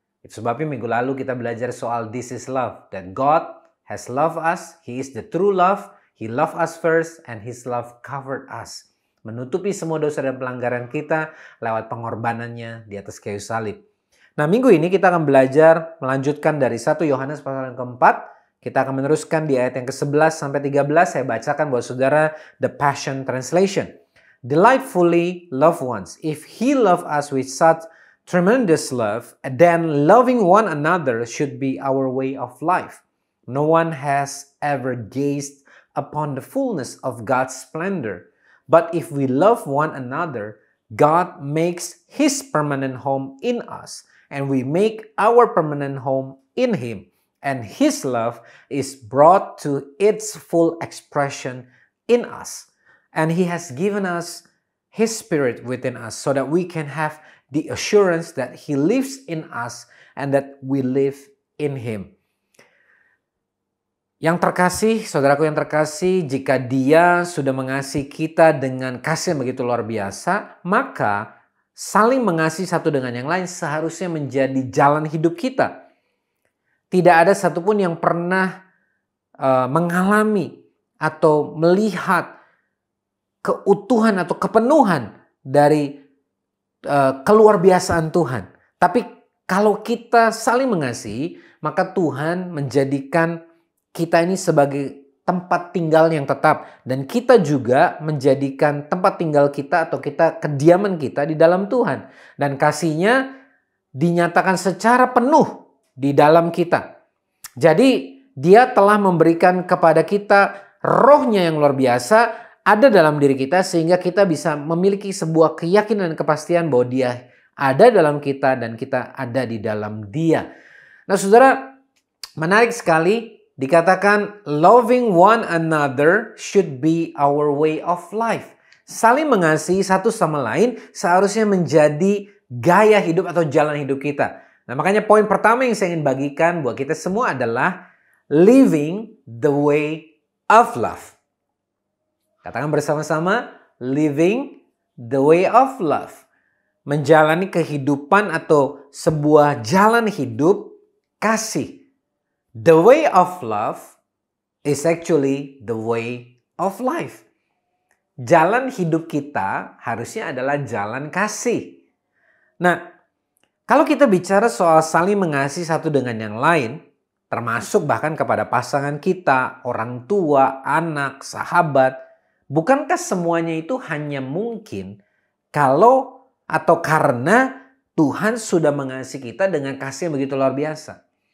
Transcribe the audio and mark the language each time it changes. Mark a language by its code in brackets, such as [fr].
[id] Itu sebabnya minggu lalu kita belajar soal [en] this is love, that God has loved us, He is the true love, He loved us first, and His love covered us. [id] Menutupi semua dosa dan pelanggaran kita lewat pengorbanannya di atas kayu salib. Nah, minggu ini kita akan belajar melanjutkan dari 1 Yohanes pasal yang keempat. Kita akan meneruskan di ayat yang ke-11 sampai 13. Saya bacakan buat saudara The Passion Translation. [en] Delightfully loved ones, if He loved us with such tremendous love, then loving one another should be our way of life. No one has ever gazed upon the fullness of God's splendor. But if we love one another, God makes His permanent home in us, and we make our permanent home in Him, and His love is brought to its full expression in us. And He has given us His Spirit within us so that we can have the assurance that He lives in us and that we live in Him. [id] Yang terkasih, saudaraku yang terkasih, jika Dia sudah mengasihi kita dengan kasih yang begitu luar biasa, maka saling mengasihi satu dengan yang lain seharusnya menjadi jalan hidup kita. Tidak ada satupun yang pernah mengalami atau melihat keutuhan atau kepenuhan dari keluar biasaan Tuhan. Tapi kalau kita saling mengasihi, maka Tuhan menjadikan kita ini sebagai tempat tinggal yang tetap. Dan kita juga menjadikan tempat tinggal kita atau kita kediaman kita di dalam Tuhan. Dan kasihnya dinyatakan secara penuh di dalam kita. Jadi Dia telah memberikan kepada kita roh-Nya yang luar biasa ada dalam diri kita. Sehingga kita bisa memiliki sebuah keyakinan dan kepastian bahwa Dia ada dalam kita dan kita ada di dalam Dia. Nah saudara, menarik sekali. Dikatakan [en] loving one another should be our way of life. [id] Saling mengasihi satu sama lain seharusnya menjadi gaya hidup atau jalan hidup kita. Nah makanya poin pertama yang saya ingin bagikan buat kita semua adalah [en] living the way of love. [id] Katakan bersama-sama, [en] living the way of love. [id] Menjalani kehidupan atau sebuah jalan hidup kasih. [en] The way of love is actually the way of life. [id] Jalan hidup kita harusnya adalah jalan kasih. Nah, kalau kita bicara soal saling mengasihi satu dengan yang lain, termasuk bahkan kepada pasangan kita, orang tua, anak, sahabat, bukankah semuanya itu hanya mungkin kalau atau karena Tuhan sudah mengasihi kita dengan kasih yang begitu luar biasa?